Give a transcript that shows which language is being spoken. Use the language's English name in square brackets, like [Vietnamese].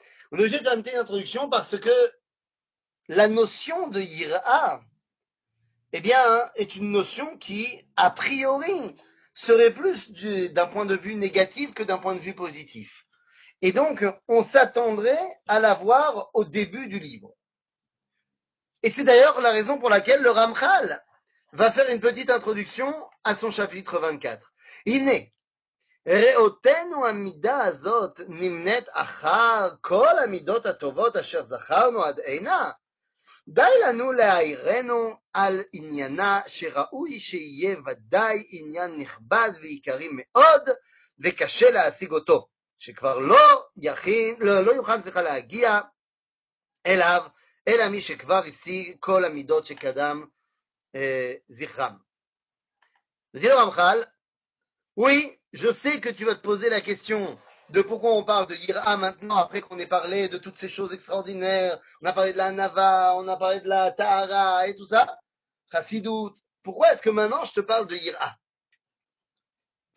[French] On est obligé de faire une petite introduction parce que la notion de Yirat, eh bien, est une notion qui, a priori, serait plus d'un point de vue négatif que d'un point de vue positif. Et donc, on s'attendrait à la voir au début du livre. Et c'est d'ailleurs la raison pour laquelle le Ramchal va faire une petite introduction à son chapitre 24. Il n'est [Hebrew] « Re'otenu amida azot nimnet achar kol amidot atovot asher zacharnu ad eina » די לנו להעירנו על עניינה שראוי שיהיה ודאי עניין נכבד ועיקרי מאוד וקשה להשיג אותו, שכבר לא יוכל צריך להגיע אליו, אלא מי שכבר השיג כל המידות שקדם זכרם. ודאי לו רמחל, [French] oui, je sais que tu vas te poser la question de pourquoi on parle de Yirah maintenant, après qu'on ait parlé de toutes ces choses extraordinaires, on a parlé de la Nava, on a parlé de la Tahara et tout ça, Chassidut, pourquoi est-ce que maintenant je te parle de Yirah ?